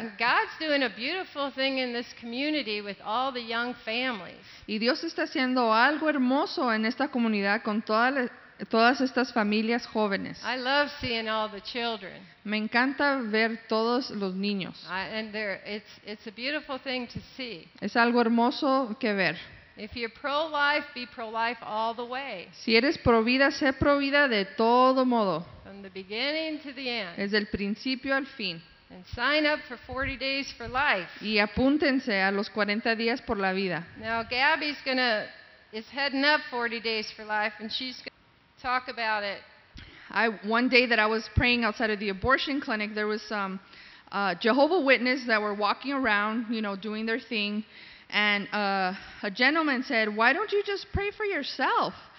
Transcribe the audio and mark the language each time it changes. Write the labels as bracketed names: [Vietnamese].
[English] And God's doing a beautiful thing in this community with all the young families. [Spanish] Y Dios está haciendo algo hermoso en esta comunidad con todas estas familias jóvenes. [English] I love seeing all the children. [Spanish] Me encanta ver todos los niños. [English] It's a beautiful thing to see. [Spanish] Es algo hermoso que ver. [English] If you're pro-life, be pro-life all the way. [Spanish] Si eres pro-vida, sé pro-vida de todo modo. [English] From the beginning to the end. [Spanish] Desde el principio al fin. [English] And sign up for 40 days for life. [Spanish] Y apúntense a los 40 días por la vida. [English] Now Gabby's is heading up 40 days for life, and she's gonna talk about it. One day that I was praying outside of the abortion clinic, there was some Jehovah's Witnesses that were walking around, you know, doing their thing. And a gentleman said, "Why don't you just pray for yourself?"